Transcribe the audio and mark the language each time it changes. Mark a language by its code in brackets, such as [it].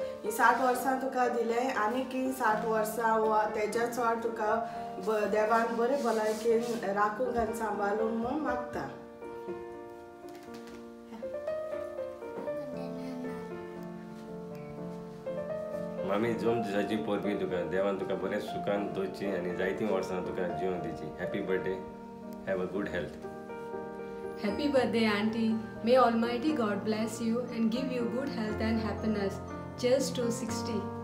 [kok] ही 60 वर्सां तुका दिलें आनीक 60 वर्सां वा तेज्या चड तुका देवान बरे भलायकेन राखूंक आनी सांबाळूंक म्हूण मागता. आमी जोम दिसाची परबी तुका देवान तुका बरें सुखान दवरचीं आनी जायतीं वर्सां तुका जिवन दिवचीं. [en] Happy birthday, have a good health. Happy birthday aunty, may almighty God bless you and give you good health and happiness just to 60.